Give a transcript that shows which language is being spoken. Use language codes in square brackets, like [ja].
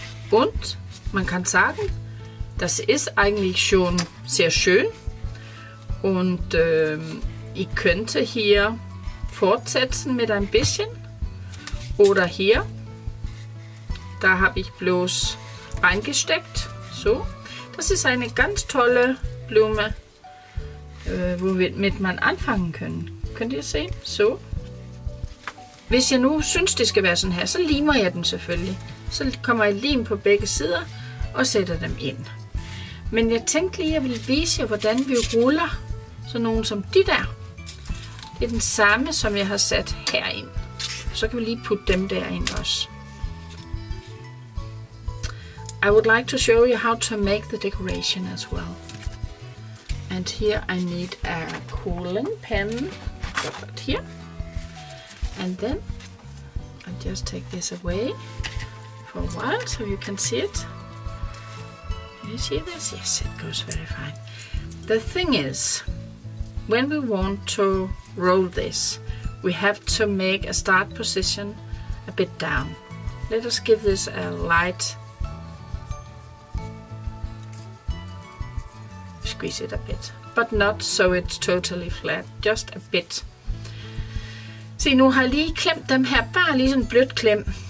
[de] Und man kann sagen, das ist eigentlich schon sehr schön und ich könnte hier fortsetzen mit ein bisschen oder hier, da habe ich bloß reingesteckt, so, das ist eine ganz tolle Blume, womit man anfangen können, könnt ihr sehen, so. [da] Hvis jeg nu synes, det skal være sådan her, så limer jeg den selvfølgelig. Så kommer jeg lim på begge sider og sætter dem ind. Men jeg tænkte lige, at jeg ville vise jer, hvordan vi ruller sådan nogle som de der. Det er den samme, som jeg har sat herind. Så kan vi lige putte dem derind også. [en] I would like to show you how to make the decoration as well. And here I need a cooling pen. Right here. And then I just take this away for a while so you can see it. Can you see this? Yes, it goes very fine. The thing is, when we want to roll this, we have to make a start position a bit down. Let us give this a light. Squeeze it a bit, but not so it's totally flat, just a bit. [da] Se, nu har jeg lige klemt dem her, bare lige sådan en blødt klem.